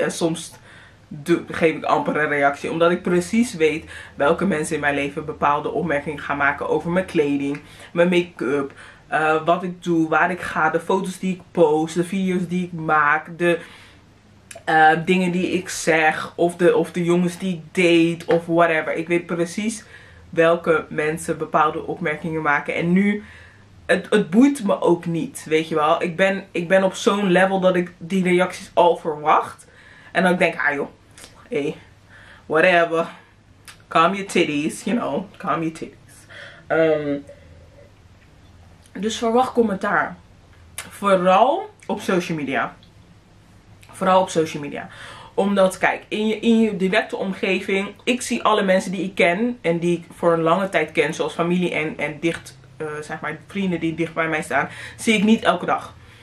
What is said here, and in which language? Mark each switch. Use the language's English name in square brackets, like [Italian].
[Dutch] En soms geef ik amper een reactie. Omdat ik precies weet welke mensen in mijn leven bepaalde opmerkingen gaan maken over mijn kleding, mijn make-up, wat ik doe, waar ik ga, de foto's die ik post, de video's die ik maak, de dingen die ik zeg, of de jongens die ik date, of whatever. Ik weet precies welke mensen bepaalde opmerkingen maken. En nu, het boeit me ook niet, weet je wel. Ik ben op zo'n level dat ik die reacties al verwacht. En dan denk ik, ah joh, hey, whatever. [English] Calm your titties, you know, calm your titties. [Dutch] Dus verwacht commentaar. Vooral op social media. Vooral op social media. Omdat, kijk, in je directe omgeving, ik zie alle mensen die ik ken en die ik voor een lange tijd ken, zoals familie en dicht, zeg maar, vrienden die dicht bij mij staan, zie ik niet elke dag.